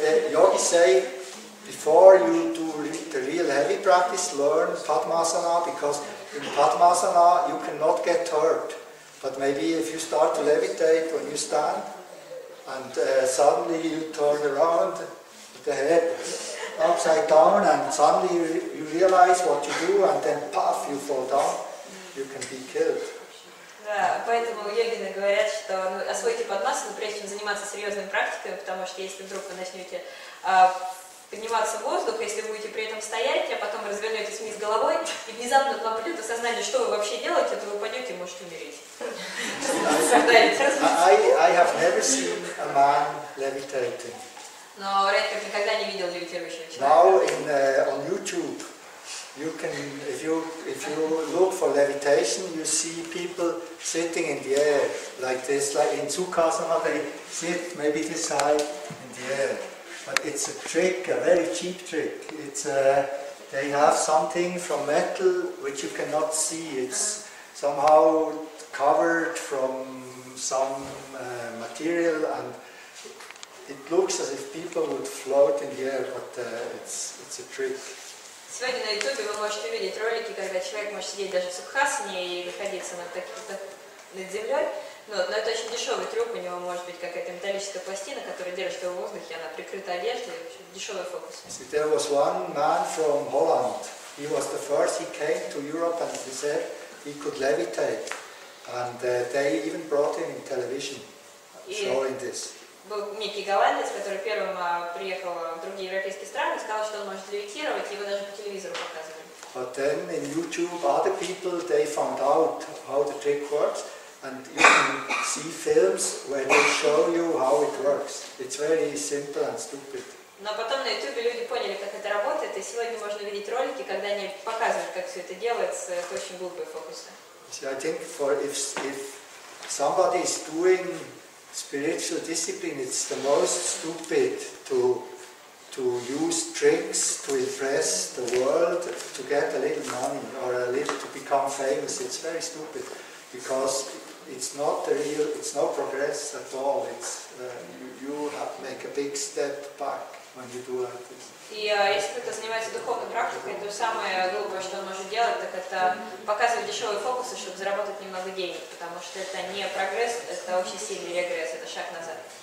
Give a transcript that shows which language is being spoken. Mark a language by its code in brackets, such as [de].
[en] Йоги say, before you do the real heavy practice, learn Padmasana, because in Padmasana you cannot get hurt. But maybe if you start to levitate when you stand, and suddenly you turn around, the head upside down, and suddenly you realize what you do, and then puff, you fall down, you can be killed. [ru] Да, поэтому йогины говорят, что освоите Падмасану, прежде чем заниматься серьезными практиками, потому что если вдруг вы начнете подниматься в воздух, если вы будете при этом стоять, а потом развернетесь вниз головой, и внезапно к вам придет осознание, что вы вообще делаете, то вы упадете и можете умереть. [en] I have never seen a man levitating. [ru] Но редко никогда не видел левитирующего человека. [en] Now in on YouTube, you can if you look for levitation, you see people sitting in the air like this, like in Sukhasana they sit maybe this high in the air. But it's a trick, a very cheap trick. It's they have something from metal which you cannot see. It's somehow covered from some material, and it looks as if people would float in the air, but it's a trick. [ru] Сегодня на YouTube вы можете видеть ролики, когда человек может сидеть даже в Сукхасане и находиться над землей. Но это очень дешевый трюк, у него может быть какая-то металлическая пластина, которая держит его в воздухе, она прикрыта одеждой, дешевый фокус. [en] So there was one man from Holland. He was the first. He came to Europe and he said he could levitate. And they even brought him in television, showing this. [ru] Был некий голландец, который первым приехал в другие европейские страны, сказал, что он может левитировать, его даже по телевизору показывали. [en] But then in YouTube, other people they found out how the trick works, and you can see films where they show you how it works. It's very simple and stupid. [ru] Но потом на YouTube люди поняли, как это работает, и сегодня можно видеть ролики, когда они показывают, как все это делается, это очень глупые фокусы. [en] See, I think for if somebody is doing spiritual discipline, it's the most stupid to use tricks to impress the world to get a little money or a little to become famous. It's very stupid because it's not the real. It's no progress at all. It's you have to make a big step back when you do like this. [ru] И если кто-то занимается духовной практикой, то самое глупое, что он может делать, так это показывать дешевые фокусы, чтобы заработать немного денег. Потому что это не прогресс, это очень сильный регресс, это шаг назад.